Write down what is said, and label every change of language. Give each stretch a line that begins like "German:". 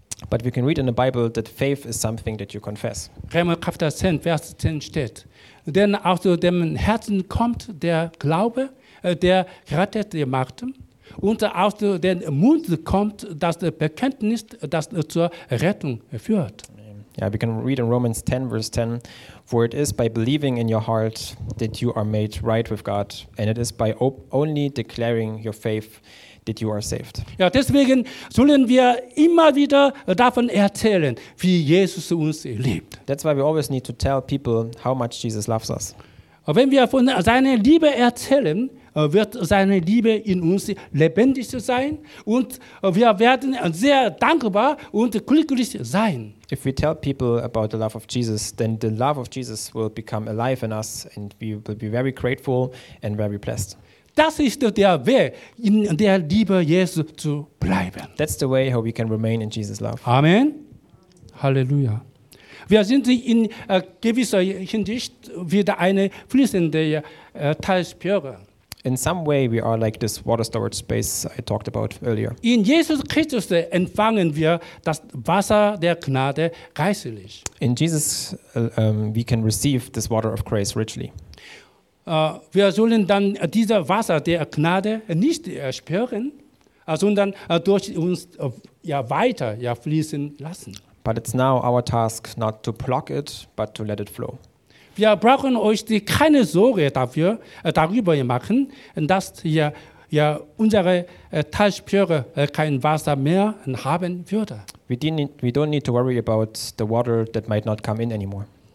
English: But we can read in the Bible that faith is something that you confess.
German: Römer Kapitel 10, Vers 10 steht, denn aus dem Herzen kommt der Glaube, der rettet die Macht, und aus dem Mund kommt das Bekenntnis, das zur Rettung führt.
English: Yeah, we can read in Romans 10, verse 10, for it is by believing in your heart that you are made right with God, and it is by only declaring your faith that you are saved.
German: Ja, deswegen sollen wir immer wieder davon erzählen, wie Jesus uns liebt.
English: That's why we always need to tell people how much Jesus loves us.
German: Wenn wir von seiner Liebe erzählen, wird seine Liebe in uns lebendig sein und wir werden sehr dankbar und glücklich sein.
English: If we tell people about the love of Jesus, then the love of Jesus will become alive in us and we will be very grateful and very blessed.
German: Das ist der Weg, in der Liebe Jesu zu bleiben.
English: That's the way how we can remain in Jesus' love. Amen. Halleluja.
German: Wir sind in gewisser Hinsicht wieder eine fließende Talsperre.
English: In some way we are like this water storage space I talked about earlier.
German: In Jesus Christus empfangen wir das Wasser der Gnade reichlich.
English: In Jesus we can receive this water of grace richly.
German: Wir sollen dann dieses Wasser der Gnade nicht ersperren, sondern durch uns weiter fließen lassen.
English: But it's now our task not to block it, but to let it flow.
German: Wir brauchen euch keine Sorge dafür, darüber machen, dass unsere Talsperre kein Wasser mehr haben würde.
English: We don't need to worry about the water that might not come in anymore.